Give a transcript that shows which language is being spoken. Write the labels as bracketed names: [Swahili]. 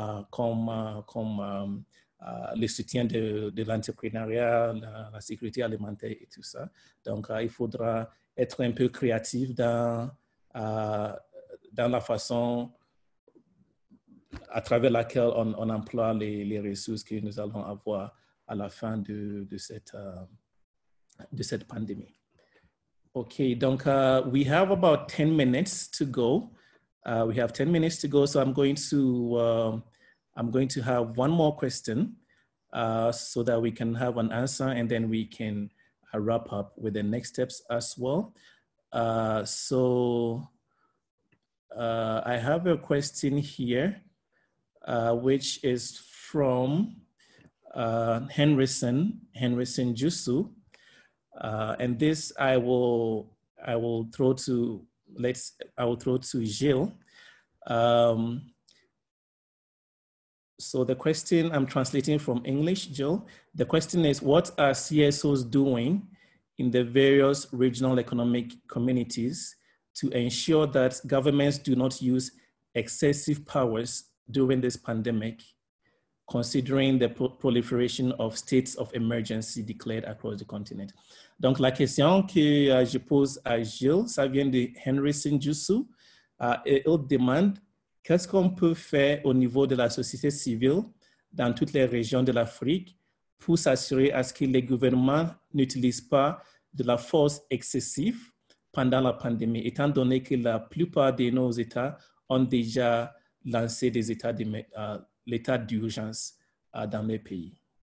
[French] comme le soutien de l'entrepreneuriat, la sécurité alimentaire et tout ça. Donc, il faudra être un peu créatif dans dans la façon à travers laquelle on emploie les ressources que nous allons avoir à la fin de cette pandémie. [English] Okay, [French] donc [English] we have about 10 minutes to go. We have 10 minutes to go, so I'm going to have one more question so that we can have an answer, and then we can wrap up with the next steps as well. So I have a question here, which is from Henryson Jusu. And this I will throw to Gilles. So the question, I'm translating from English, Gilles. The question is, what are CSOs doing in the various regional economic communities to ensure that governments do not use excessive powers during this pandemic, considering the proliferation of states of emergency declared across the continent? [French] Donc la question que je pose à Gilles, ça vient de Henry Sinjusu, et il demande qu'est-ce qu'on peut faire au niveau de la société civile dans toutes les régions de l'Afrique pour s'assurer à ce que les gouvernements n'utilisent pas de la force excessive pendant la pandémie, étant donné que la plupart de nos États ont déjà lancé des états l'état d'urgence dans les pays.